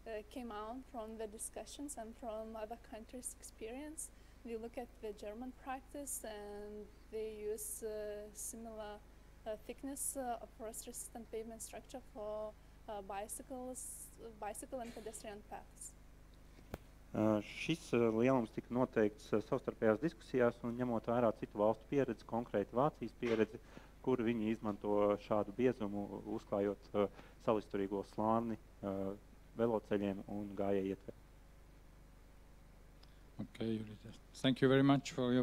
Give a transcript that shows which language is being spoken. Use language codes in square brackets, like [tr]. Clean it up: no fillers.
[en] Came out from the discussions and from other countries' experience. We look at the German practice and they use similar thickness of frost-resistant pavement structure for bicycle and pedestrian paths. [lv] Šis lielums tika noteikts savstarpējās diskusijās un ņemot vērā citu valstu pieredzi, konkrēti Vācijas pieredzi, kur viņi izmanto šādu biezumu, uzklājot salisturīgo slāni veloceļiem un gājēju ietvēru. [en] Okay, Jurita. Thank you very much for your